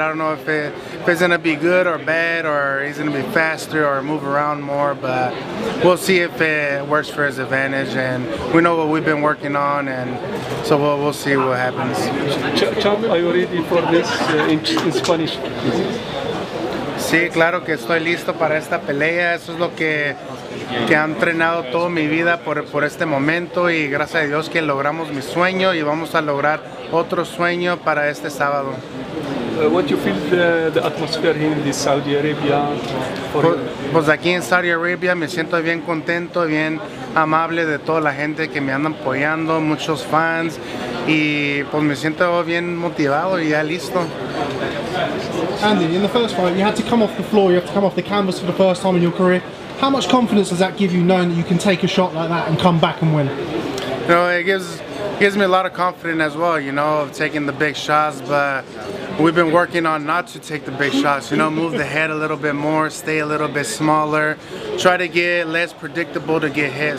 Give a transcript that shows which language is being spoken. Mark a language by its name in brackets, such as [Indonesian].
[English] I don't know if it's going to be good or bad, or he's going to be faster or move around more, but we'll see if it works for his advantage. And we know what we've been working on, and so we'll see what happens. Champ, are you ready for this in Spanish? [Spanish] Sí, claro que estoy listo para esta pelea. Eso es lo que han entrenado toda mi vida por este momento. Y gracias a Dios que logramos mi sueño y vamos a lograr otro sueño para este sábado. [English] What do you feel the atmosphere here in Saudi Arabia? [Spanish] Pues aquí en Saudi Arabia me siento bien contento, bien amable de toda la gente que me anda apoyando, muchos fans, y pues me siento bien motivado y ya listo. [English] Andy, in the first fight, you had to come off the floor, you had to come off the canvas for the first time in your career. How much confidence does that give you, knowing that you can take a shot like that and come back and win? No, it gives me a lot of confidence as well, you know, of taking the big shots, but we've been working on not to take the big shots, you know, move the head a little bit more, stay a little bit smaller, try to get less predictable to get hit.